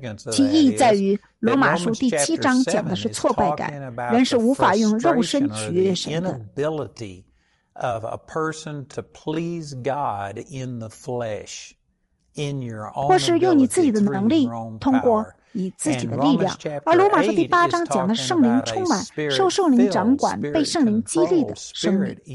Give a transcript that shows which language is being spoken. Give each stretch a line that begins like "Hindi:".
Chinese: 其意义在于，罗马书第七章讲的是挫败感，人是无法用肉身取悦神的。
English: Of a person to please God in the flesh.
Chinese: 或是用你自己的能力，通过以自己的力量。而罗马书第八章讲的圣灵充满，受圣灵掌管，被圣灵激励的生命。